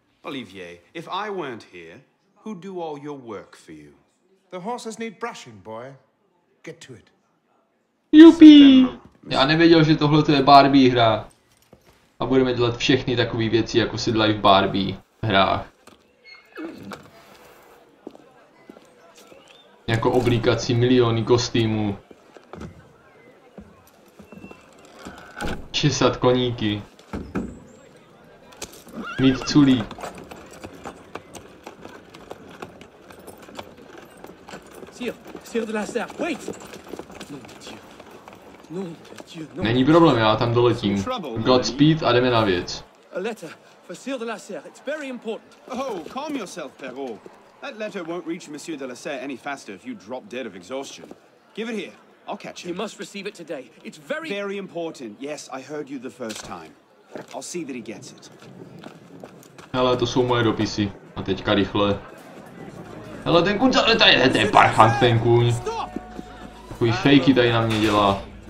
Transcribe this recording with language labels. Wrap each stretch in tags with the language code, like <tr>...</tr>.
<en>Olivier, if I weren't here, who'd do all your work for you? The horses need brushing, boy. Get to it. Yupi!</en> <cs>Já nevěděl, že tohle to je Barbie hra. A budeme dělat všechny takové věci, jako si dělají v Barbie hrách. Jako oblíkat si miliony kostýmů. Česat koníky. Mít culí.</cs> <en>Sir de la Serre, wait!</en> <cs>Není problém, já tam doletím. Godspeed a jdeme na věc.</cs> <en>A letter for Sir de la Serre, it's very important. Oh, calm yourself, Perrault. That letter won't reach Monsieur de la Serre any faster if you drop dead of exhaustion. Give it here, I'll catch him. He must receive it today. It's very... Very important, yes, I heard you the first time. I'll see that he gets it.</en> <cs>Hele, to jsou moje dopisy. A teďka rychle. Hele, ten kuň, ale tady je parchant, ten kuň. Takový fejky tady na mě dělá.</cs>